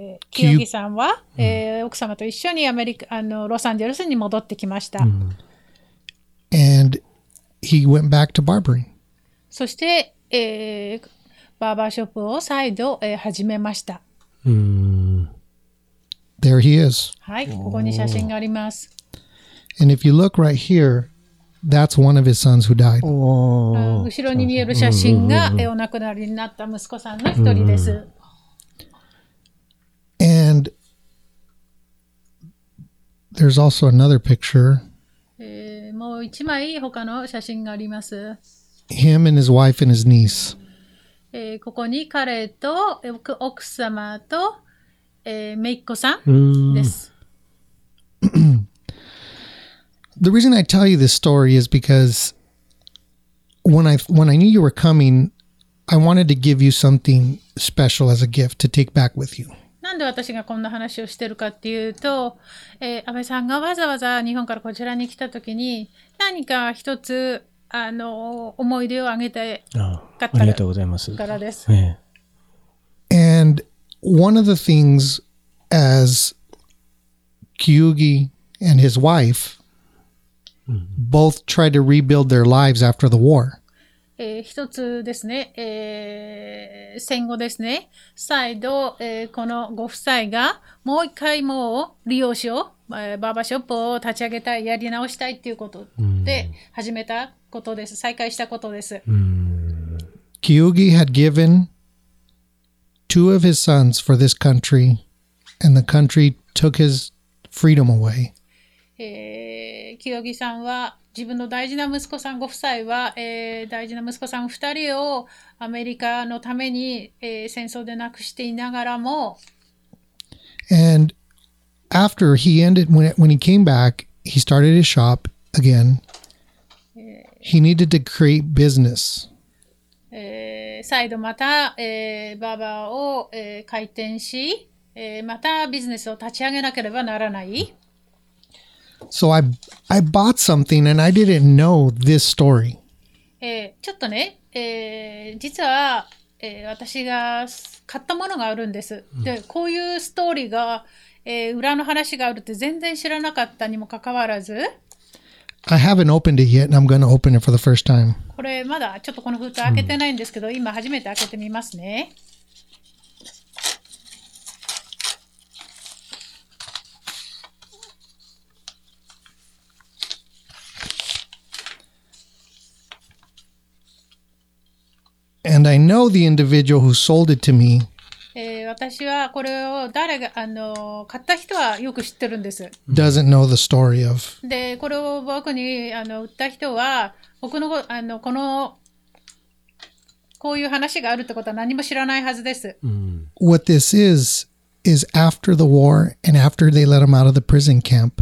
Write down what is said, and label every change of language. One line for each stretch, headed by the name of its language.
Japanese: 清木さんは、奥様と一緒にアメリカ、あの、ロサンゼルスに戻ってきました。
English: And he went back to barbering.
Japanese: そして、バーバーショップを再度、始めました。
English: There he is.
Japanese: はい、ここに写真があります。
English: And if you look right here, that's one of his sons who died.
Japanese: 後ろに見える写真が、お亡くなりになった息子さんの一人です。
English: And there's also another picture.
Japanese: もう一枚他の写真があります。
English: Him and his wife and his niece.
Japanese: ここに彼と奥様と、めいっ子さんです。
English: The reason I tell you this story is because when I knew you were coming, I wanted to give you something special as a gift to take back with you.
Japanese: なんで私がこんな話をしてるかっていうと、安倍さんがわざわざ日本からこちらに来た時に何か一つあの思い出をあげて買ったありがとうございますからです。
English: And one of the things as Kyugi and his wife both tried to rebuild their lives after the war.
Japanese: 一つですね、戦後ですね、再度、このご夫妻がもう一回もう利用しよう、バーバーショップを立ち上げたい、やり直したいということで始めたことです、再開したことです。
English: Kyugi had given two of his sons for this country, and the country took his freedom away.
Japanese: 清木さんは自分の大事な息子さんご夫妻は、大事な息子さん2人をアメリカのために、戦争で亡くしていながらも
English: And after he ended, when he came back, he started his shop again. He needed to create business.
Japanese: 再度また、バーバーを、開店し、またビジネスを立ち上げなければならない
English: So I bought something and I didn't know this story.
Japanese: ちょっとね、実は、私が買ったものがあるんです。で、こういうストーリーが、裏の話があるって全然知らなかったにもかかわらず。
English: I haven't opened it yet and I'm going to open it for the first time.
Japanese: これまだちょっとこの封筒開けてないんですけど、今初めて開けてみますね。
English: And I know the individual who sold it to me.
Japanese: 私はこれを誰が、あの、買った人はよく知ってるんです。
English: Doesn't know the story of.
Japanese: で、これを僕に、あの、売った人は、僕の、あの、この、こういう話があるってことは何も知らないはずです。
English: What this is after the war and after they let him out of the prison camp.